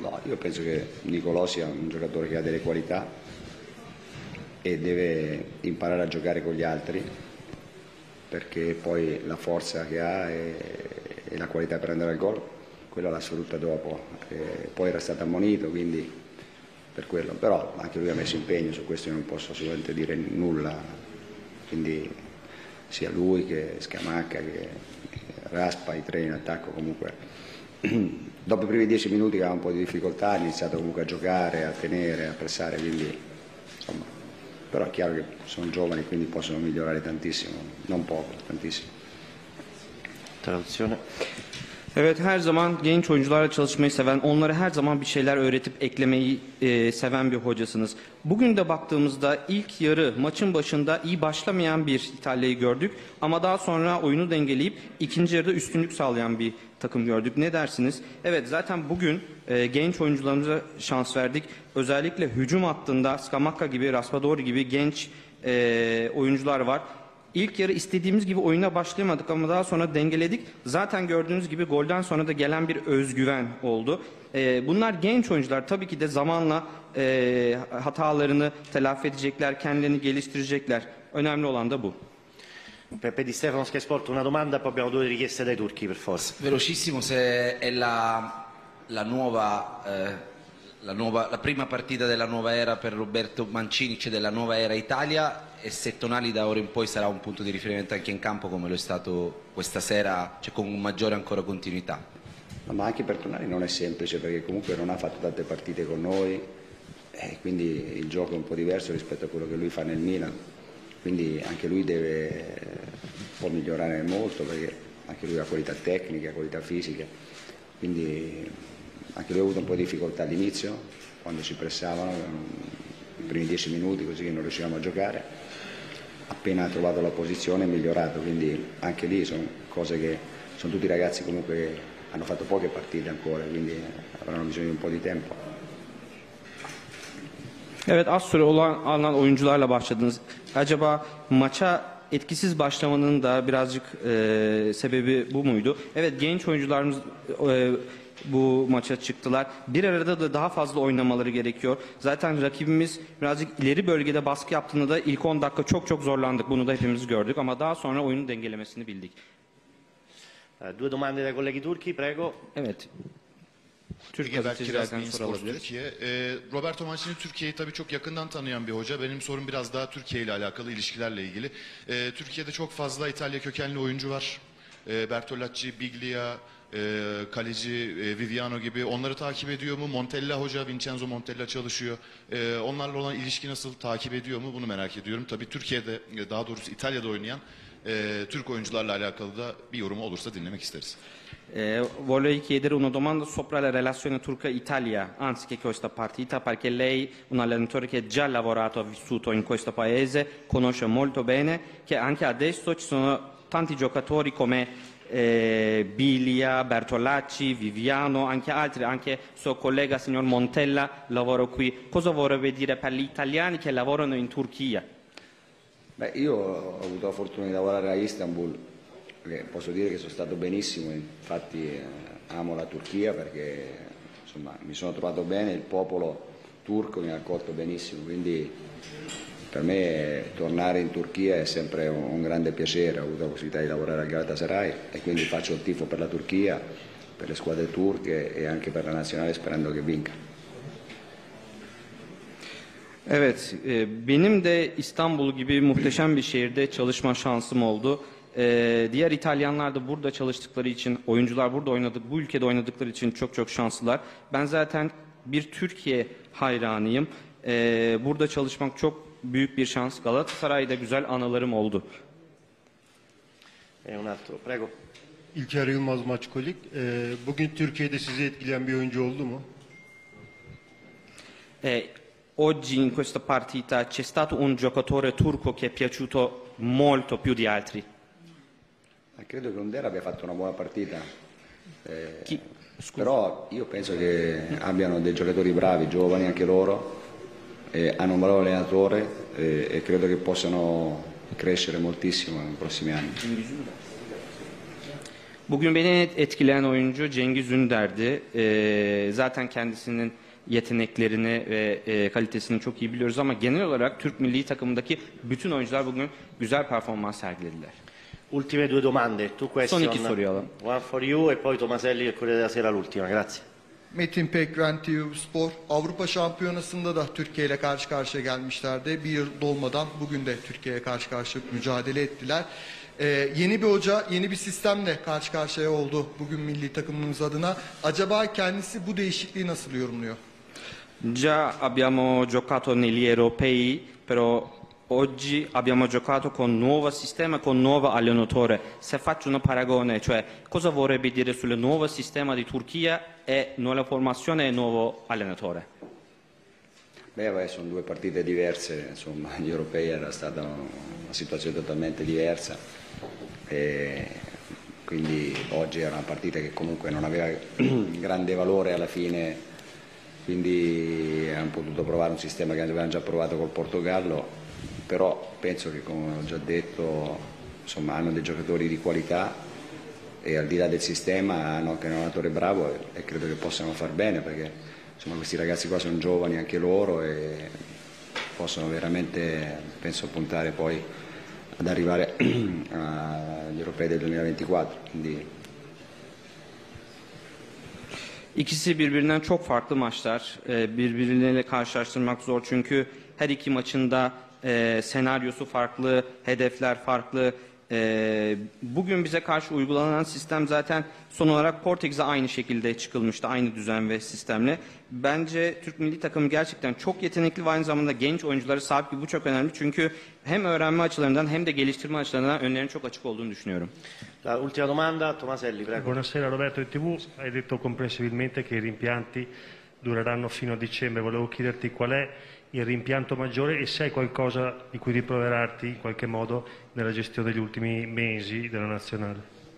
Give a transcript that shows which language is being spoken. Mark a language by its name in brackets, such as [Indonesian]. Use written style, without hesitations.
[Italian] No, io penso che Nicolò sia un giocatore che ha delle qualità e deve imparare a giocare con gli altri, perché poi la forza che ha e la qualità per andare al gol, quella l'ha sfrutta dopo, poi era stato ammonito, quindi per quello, però anche lui ha messo impegno su questo, io non posso assolutamente dire nulla, quindi sia lui che Scamacca, che Raspa, i tre in attacco comunque. Dopo i primi 10 minuti che aveva un po' di difficoltà, ha iniziato comunque a giocare, a tenere, a pressare, quindi insomma. Però è chiaro che sono giovani, quindi possono migliorare tantissimo, non poco, tantissimo. Traduzione. [Turkish] Evet, her zaman genç oyuncularla çalışmayı seven, onlara her zaman bir şeyler öğretip eklemeyi seven bir hocasınız. Bugün de baktığımızda ilk yarı maçın başında iyi başlamayan bir İtalya'yı gördük. Ama daha sonra oyunu dengeleyip ikinci yarıda üstünlük sağlayan bir takım gördük. Ne dersiniz? Evet, zaten bugün genç oyuncularımıza şans verdik. Özellikle hücum hattında Scamacca gibi, Raspadori gibi genç oyuncular var. İlk yarı istediğimiz gibi oyuna başlayamadık ama daha sonra dengeledik. Zaten gördüğünüz gibi golden sonra da gelen bir özgüven oldu. Bunlar genç oyuncular. Tabii ki de zamanla hatalarını telafi edecekler, kendilerini geliştirecekler. Önemli olan da bu. Pepe Di Stefano, Sky Sport. [Italian] Una domanda, poi abbiamo due richieste dai turchi, per forza. Velocissimo, se è la nuova la prima partita della nuova era per Roberto Mancini, cioè della nuova era Italia, e se Tonali da ora in poi sarà un punto di riferimento anche in campo come lo è stato questa sera, cioè con maggiore ancora continuità. Ma anche per Tonali non è semplice, perché comunque non ha fatto tante partite con noi, quindi il gioco è un po' diverso rispetto a quello che lui fa nel Milan, quindi anche lui deve un po' migliorare molto, perché anche lui ha qualità tecnica, qualità fisica, quindi anche lui ha avuto un po' di difficoltà all'inizio, quando ci pressavano, i primi 10 minuti, così che non riuscivamo a giocare, appena ha trovato la posizione è migliorato, quindi anche lì sono cose che sono tutti ragazzi comunque che hanno fatto poche partite ancora, quindi avranno bisogno di un po' di tempo. [Turkish] Evet, az süre olan alınan oyuncularla başladınız. Acaba maça etkisiz başlamanın da birazcık sebebi bu muydu? Evet, genç oyuncularımız bu maça çıktılar. Bir arada da daha fazla oynamaları gerekiyor. Zaten rakibimiz birazcık ileri bölgede baskı yaptığında da ilk 10 dakika çok çok zorlandık. Bunu da hepimiz gördük ama daha sonra oyunu dengelemesini bildik. [Italian] Due domande dai colleghi turchi, prego. [Turkish] Evet. Türkiye Türkiye. Roberto Mancini Türkiye'yi tabii çok yakından tanıyan bir hoca. Benim sorum biraz daha Türkiye ile alakalı, ilişkilerle ilgili. Türkiye'de çok fazla İtalya kökenli oyuncu var. Bertolacci, Biglia, kaleci Viviano gibi. Onları takip ediyor mu? Montella hoca, Vincenzo Montella çalışıyor. Onlarla olan ilişki nasıl, takip ediyor mu? Bunu merak ediyorum. Tabii Türkiye'de, daha doğrusu İtalya'da oynayan Türk oyuncularla alakalı da bir yorumu olursa dinlemek isteriz. [Italian] Vorrei chiedere una domanda sopra la relazione turca-Italia, anzi che questa partita, perché lei, un allenatore che ha già lavorato, ha vissuto in questo paese, conosce molto bene, che anche adesso ci sono tanti giocatori come Biglia, Bertolacci, Viviano, anche altri, anche suo collega signor Montella lavora qui. Cosa vorrebbe dire per gli italiani che lavorano in Turchia? Beh, io ho avuto la fortuna di lavorare a Istanbul. Posso dire che sono stato benissimo, infatti amo la Turchia perché insomma, mi sono trovato bene, il popolo turco mi ha accolto benissimo, quindi per me tornare in Turchia è sempre un grande piacere, ho avuto la possibilità di lavorare al Galatasaray e quindi faccio il tifo per la Turchia, per le squadre turche e anche per la nazionale sperando che vinca. [Turkish] Evet, benim de İstanbul gibi muhteşem bir şehirde çalışma şansım oldu. Diğer İtalyanlar da burada çalıştıkları için, oyuncular burada oynadık, bu ülkede oynadıkları için çok çok şanslılar. Ben zaten bir Türkiye hayranıyım. Burada çalışmak çok büyük bir şans. Galatasaray'da güzel anılarım oldu. [Italian] Un altro, prego. [Turkish] İlker Yılmaz, Maçkolik. Bugün Türkiye'de sizi etkileyen bir oyuncu oldu mu? [Italian] Oggi in questa partita c'è stato un giocatore turco che è piaciuto molto più di altri. Credo che Undera abbia fatto una buona partita, però io penso che abbiano dei giocatori bravi, giovani anche loro, hanno un bravo allenatore e credo che possano crescere moltissimo nei prossimi anni. [Turkish] Bugün beni etkileyen oyuncu Cengiz Ünder'di. Zaten kendisinin yeteneklerini ve kalitesini çok iyi biliyoruz ama genel olarak Türk milli takımındaki bütün oyuncular bugün güzel performans sergilediler. [Italian] Ultime due domande, [English] tu question, Sonic Soriola. One for you [Italian] e poi Tomaselli il Corriere della Sera l'ultima, grazie. [Turkish] Metin Pek, Rantiu Spor. Avrupa şampiyonasında da Türkiye ile karşı karşıya gelmişlerdi. Bir yıl dolmadan bugün de Türkiye ile karşı karşıya mücadele ettiler. Yeni bir hoca, yeni bir sistemle karşı karşıya oldu bugün milli takımımız adına. Acaba kendisi bu değişikliği nasıl yorumluyor? [Italian] Già abbiamo giocato negli europei, però oggi abbiamo giocato con nuovo sistema e con nuovo allenatore. Se faccio un paragone, cioè cosa vorrebbe dire sul nuovo sistema di Turchia e nuova formazione e nuovo allenatore? Beh, sono due partite diverse, insomma, gli europei era stata una situazione totalmente diversa e quindi oggi era una partita che comunque non aveva grande valore alla fine, quindi hanno potuto provare un sistema che avevano già provato col Portogallo. Però penso che, come ho già detto, insomma, hanno dei giocatori di qualità e al di là del sistema hanno anche un allenatore bravo e credo che possano far bene perché insomma, questi ragazzi qua sono giovani anche loro e possono veramente, penso, puntare poi ad arrivare agli europei del 2024. Quindi [Turkish] İkisi birbirinden çok farklı maçlar. Birbirleriyle karşılaştırmak zor çünkü her iki maçında senaryosu farklı, hedefler farklı. Bugün bize karşı uygulanan sistem zaten son olarak Portekiz'e aynı şekilde çıkılmıştı, aynı düzen ve sistemle. Bence Türk milli takımı gerçekten çok yetenekli ve aynı zamanda genç oyunculara sahip ki bu çok önemli. Çünkü hem öğrenme açılarından hem de geliştirme açılarından önlerinin çok açık olduğunu düşünüyorum. [Italian] La ultima domanda, Tomaselli, prego. Buonasera Roberto di TV, hai detto comprensibilmente che i rimpianti dureranno fino a dicembre. Volevo chiederti qual è il rimpianto maggiore e se hai qualcosa di cui riproverarti in qualche modo nella gestione degli ultimi mesi della nazionale.